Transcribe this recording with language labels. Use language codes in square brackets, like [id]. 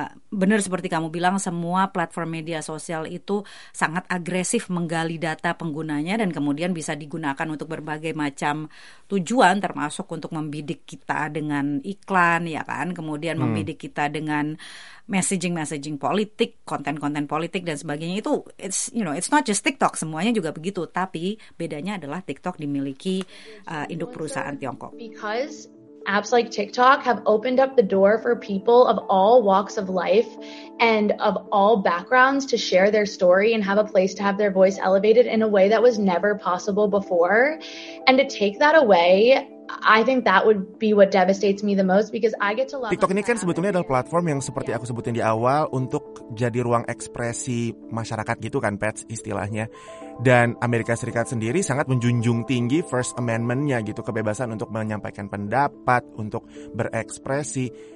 [id] Benar seperti kamu bilang, semua platform media sosial itu sangat agresif menggali data penggunanya dan kemudian bisa digunakan untuk berbagai macam tujuan, termasuk untuk membidik kita dengan iklan, ya kan? Kemudian membidik kita dengan messaging-messaging politik, konten-konten politik dan sebagainya. Itu [en] it's not just TikTok, [id] semuanya juga begitu, tapi bedanya adalah TikTok dimiliki induk perusahaan Tiongkok. [en] Because apps like TikTok have opened up the door for people of all walks of life and of all backgrounds to share their story and have a place to have their voice elevated in a way that was never possible before. And to take that away, I think that would be what devastates me the most because I get to love [id] TikTok. Ini kan sebetulnya adalah platform yang seperti aku sebutin di awal untuk jadi ruang ekspresi masyarakat gitu kan, Pets istilahnya. Dan Amerika Serikat sendiri sangat menjunjung tinggi First Amendment-nya gitu, kebebasan untuk menyampaikan pendapat, untuk berekspresi.